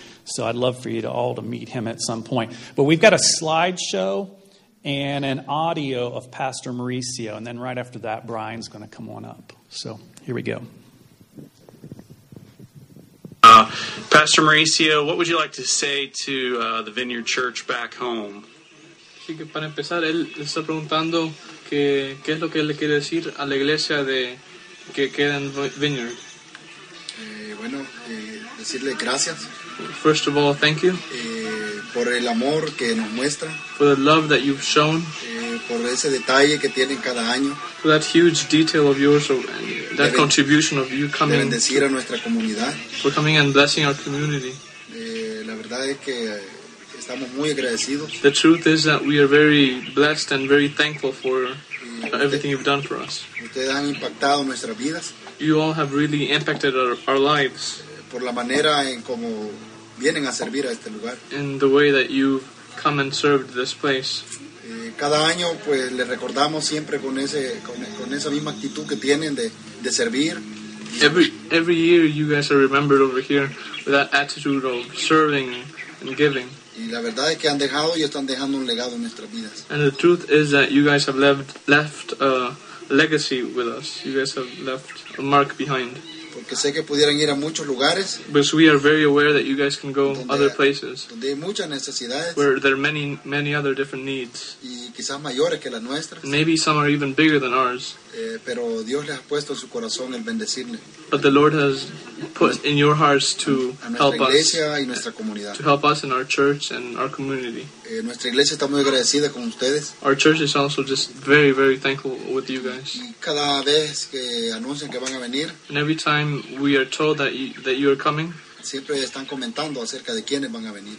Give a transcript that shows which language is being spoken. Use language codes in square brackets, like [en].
[en] So I'd love for you all to meet him at some point. But we've got a slideshow and an audio of Pastor Mauricio. And then right after that, Brian's going to come on up. So here we go. Pastor Mauricio, what would you like to say to the Vineyard Church back home? [es] Así que para empezar, él está preguntando que, qué es lo que él le quiere decir a la iglesia de que queda en Vineyard. Bueno, decirle gracias. [en] First of all, thank you. [es] Por el amor que nos muestra. [en] For the love that you've shown. [es] Por ese detalle que tienen cada año. [en] For that huge detail of yours, of, that deben, contribution of you coming. [es] Bendecir a nuestra comunidad. [en] For coming and blessing our community. [es] La verdad es que estamos muy agradecidos. [en] The truth is that we are very blessed and very thankful for everything you've done for us. [es] Ustedes han impactado nuestras vidas. [en] You all have really impacted our lives. [es] Por la manera en como vienen a servir a este lugar. [en] In the way that you've come and served this place. [es] Cada año, pues, le recordamos siempre con ese con esa misma actitud que tienen de servir. [en] Every year, you guys are remembered over here with that attitude of serving and giving. [es] Y la verdad es que han dejado y están dejando un legado en nuestras vidas. [en] And the truth is that you guys have left a legacy with us. You guys have left a mark behind. [es] Porque sé que pudieran ir a muchos lugares. [en] Because we are very aware that you guys can go other places. [es] Donde hay muchas necesidades. [en] Where there are many, many other different needs. [es] Y quizás mayores que las nuestras. [en] And maybe some are even bigger than ours. [es] Pero Dios les ha puesto en su corazón el bendecirle. [en] But the Lord has put in your hearts to help us. [es] A nuestra iglesia y nuestra comunidad. [en] To help us in our church and our community. [es] Nuestra iglesia está muy agradecida con ustedes. [en] Our church is also just very, very thankful with you guys. [es] Y cada vez que anuncian que van a venir. [en] And every time we are told that you are coming. [es] Siempre están comentando acerca de quiénes van a venir.